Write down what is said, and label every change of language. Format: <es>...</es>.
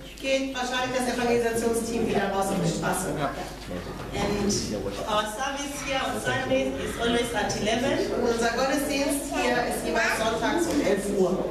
<de>Geht wahrscheinlich das Evangelisationsteam wieder raus auf die Straße.</de> <en>And our service here on Sundays is always at 11.</en> <de>Unser Gottesdienst hier ist immer sonntags um 11 Uhr.</de>